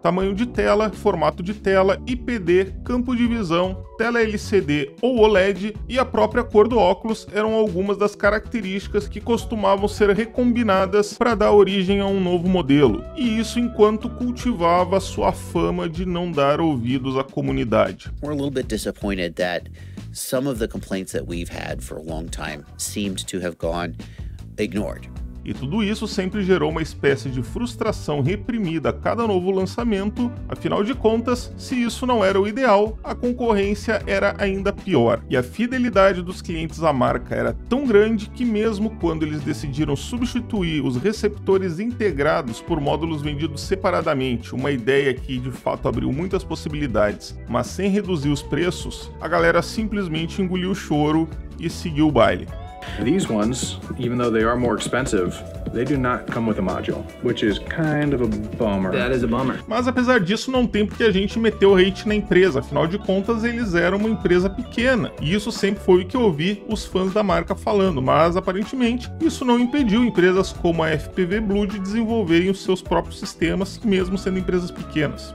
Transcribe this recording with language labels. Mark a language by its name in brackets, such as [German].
[Portuguese] Tamanho de tela, formato de tela, IPD, campo de visão, tela LCD ou OLED e a própria cor do óculos eram algumas das características que costumavam ser recombinadas para dar origem a um novo modelo. E isso enquanto cultivava sua fama de não dar ouvidos à comunidade. [English] We're a little bit disappointed that some of the complaints that we've had for a long time seemed to have gone ignored. [Portuguese] E tudo isso sempre gerou uma espécie de frustração reprimida a cada novo lançamento, afinal de contas, se isso não era o ideal, a concorrência era ainda pior. E a fidelidade dos clientes à marca era tão grande que mesmo quando eles decidiram substituir os receptores integrados por módulos vendidos separadamente, uma ideia que de fato abriu muitas possibilidades, mas sem reduzir os preços, a galera simplesmente engoliu o choro e seguiu o baile. [English] These ones, even though they are more expensive, they do not come with a module, which is kind of a bummer. That is a bummer. [Portuguese] Mas apesar disso, não tem porque a gente meter o hate na empresa, afinal de contas, eles eram uma empresa pequena. E isso sempre foi o que eu ouvi os fãs da marca falando, mas aparentemente, isso não impediu empresas como a FPV Blue de desenvolverem os seus próprios sistemas, mesmo sendo empresas pequenas.